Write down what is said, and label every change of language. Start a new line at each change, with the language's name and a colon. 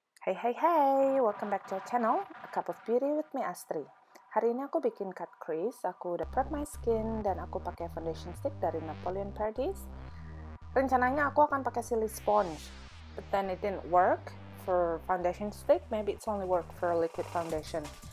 English: Hey, hey, hey, welcome back to our channel, A Cup of Beauty with me, Astri.
Indonesian: Hari ini aku bikin cut crease, aku udah
English: prep my skin,
Indonesian: dan aku pakai foundation stick dari Napoleon Paradis. Rencananya aku akan pakai
English: silly sponge, but then it didn't work for foundation stick, maybe it's only work for liquid foundation.